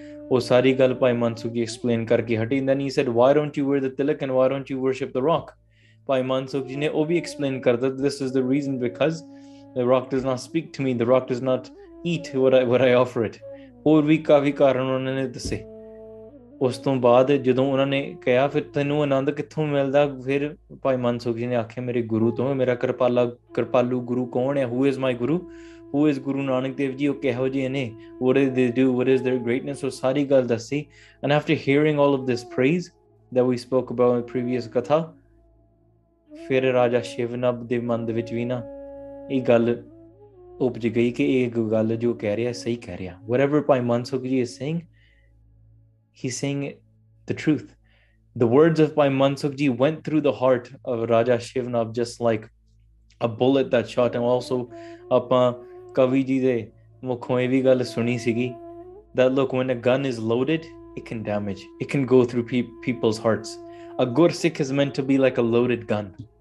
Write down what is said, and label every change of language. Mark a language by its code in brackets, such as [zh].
[pa] O sari gal Bhai Mansukh Ji explained karke hati. [en] And then he said, why don't you wear the tilak and why don't you worship the rock? [pa] Bhai Mansukh Ji ne o bhi explained karta. [en] This is the reason, because the rock does not speak to me. The rock does not eat what I offer it. [pa] Or vi kaafi karan unhone ne dasse. ਉਸ ਤੋਂ ਬਾਅਦ ਜਦੋਂ ਉਹਨਾਂ ਨੇ ਕਿਹਾ ਫਿਰ ਤੈਨੂੰ ਆਨੰਦ ਕਿੱਥੋਂ ਮਿਲਦਾ, ਫਿਰ ਭਾਈ ਮਨਸੁਖ ਜੀ ਨੇ ਆਖਿਆ ਮੇਰੇ ਗੁਰੂ ਤੋਂ, ਮੇਰਾ ਕਿਰਪਾਲੂ ਗੁਰੂ ਕੌਣ ਹੈ, [en] who is my guru, [pa] who is Guru Nanak Dev ji, ਉਹ ਕਿਹੋ ਜਿਹੇ ਨੇ, [en] what is they do, what is their greatness, [pa] ਉਹ ਸਾਰੀ ਗੱਲ ਦੱਸੀ. [en] and after hearing all of this praise that we spoke about in previous katha, [pa] ਫਿਰ ਰਾਜਾ ਸ਼ਿਵਨਬ ਦੇ ਮਨ ਦੇ ਵਿੱਚ ਵੀ ਨਾ ਇਹ ਗੱਲ ਉਪਜ ਗਈ ਕਿ ਇਹ ਗੱਲ ਜੋ ਕਹਿ ਰਿਹਾ ਸਹੀ ਕਹਿ ਰਿਹਾ. [en] Whatever Bhai Mansukh ji is saying, he's saying the truth. The words of Bhai Mansukh Ji went through the heart of Raja Shivnab just like a bullet that shot. And also, [pa] apan kavi ji de mukhon eh vi gal suni sigi, [en] that look, when a gun is loaded, it can damage. It can go through people's hearts. A gursikh is meant to be like a loaded gun.